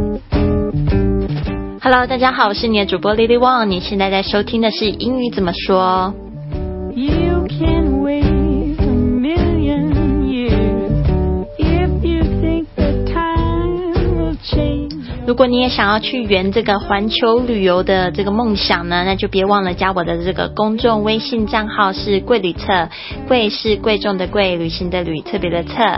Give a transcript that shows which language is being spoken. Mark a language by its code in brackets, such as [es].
[zh] Hello， 大家好，我是你的主播 Lily Wong， 你现在在收听的是英语怎么说。 [en] You can wait a million years if you think the time will change。 [zh] 如果你也想要去圆这个环球旅游的这个梦想呢，那就别忘了加我的这个公众微信账号，是贵旅册，贵是贵重的贵，旅行的旅，特别的册。